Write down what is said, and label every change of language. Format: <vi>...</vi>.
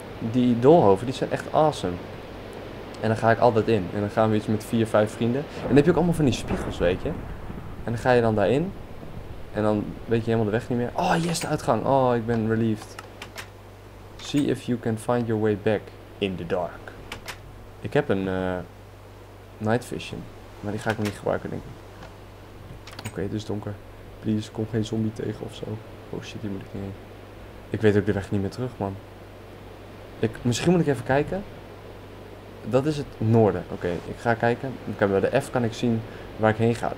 <nl>Die doolhoven, die zijn echt awesome. En dan ga ik altijd in. En dan gaan we iets met 4-5 vrienden. En dan heb je ook allemaal van die spiegels, weet je. En dan ga je dan daarin. En dan weet je helemaal de weg niet meer. Oh, yes, de uitgang. Oh, ik ben relieved.</nl> <en>See if you can find your way back in the dark.</en> <nl>Ik heb een night vision. Maar die ga ik nog niet gebruiken, denk ik. Oké, het is donker. Please, kom geen zombie tegen of zo. Oh shit, hier moet ik niet heen. Ik weet ook de weg niet meer terug, man. Misschien moet ik even kijken. Dat is het noorden. Oké, ik ga kijken. Bij de F kan ik zien waar ik heen ga.</nl>